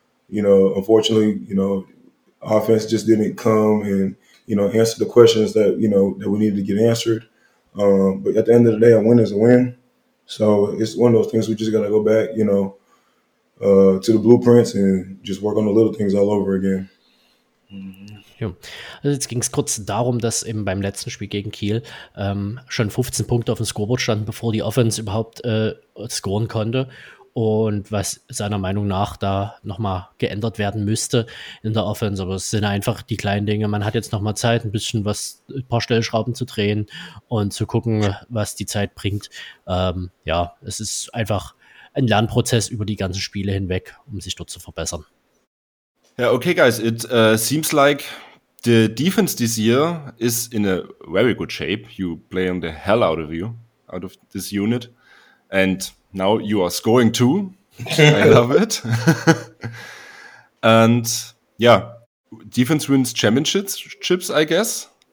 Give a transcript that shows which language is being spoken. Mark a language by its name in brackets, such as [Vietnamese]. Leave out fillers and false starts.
[English] you know, unfortunately, you know, offense just didn't come and, you know, answer the questions that, you know, that we needed to get answered. But at the end of the day, a win is a win. So it's one of those things we just got to go back, you know, to the blueprints and just work on the little things all over again. [German] Ja. Also jetzt ging es kurz darum, dass eben beim letzten Spiel gegen Kiel schon 15 Punkte auf dem Scoreboard standen, bevor die Offense überhaupt scoren konnte. Und was seiner Meinung nach da nochmal geändert werden müsste in der Offense. Aber es sind einfach die kleinen Dinge. Man hat jetzt nochmal Zeit, ein bisschen was, ein paar Stellschrauben zu drehen und zu gucken, was die Zeit bringt. Ja, es ist einfach ein Lernprozess über die ganzen Spiele hinweg, um sich dort zu verbessern. [English] Ja, okay, guys. It seems like the defense this year is in a very good shape. You play on the hell out of you, out of this unit. And now you are scoring too. I love it. And yeah, defense wins championships, I guess.